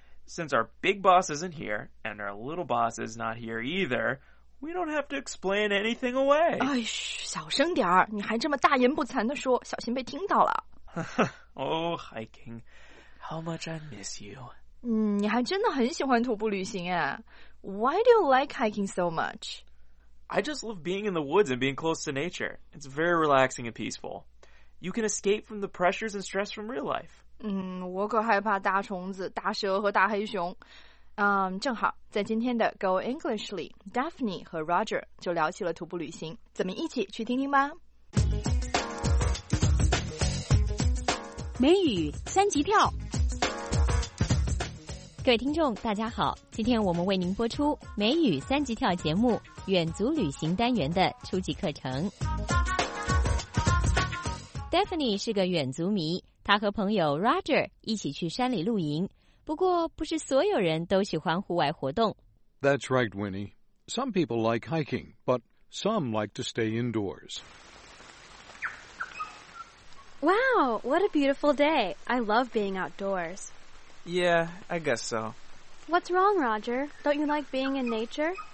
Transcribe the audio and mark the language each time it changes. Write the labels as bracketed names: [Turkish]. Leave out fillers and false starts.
[English] Since our big boss isn't here, and our little boss is not here either, we don't have to explain anything away. [Chinese] 哎，小声点儿，你还这么大言不惭地说，小心被听到了。 [English] Oh, hiking. How much I miss you. [Chinese] 你还真的很喜欢徒步旅行啊。 [English] Why do you like hiking so much? I just love being in the woods and being close to nature. It's very relaxing and peaceful. You can escape from the pressures and stress from real life. [Chinese] 我可害怕大虫子、大蛇和大黑熊。正好在今天的 Go English 里 ，Daphne 和 Roger 就聊起了徒步旅行，咱们一起去听听吧。美语三级跳，各位听众大家好，今天我们为您播出美语三级跳节目远足旅行单元的初级课程。 Daphne 是个远足迷，他和朋友 Roger 一起去山里露营。不过，不是所有人都喜欢户外活动。 [English] That's right, Winnie. Some people like hiking, but some like to stay indoors. Wow, what a beautiful day. I love being outdoors. Yeah, I guess so. What's wrong, Roger? Don't you like being in nature?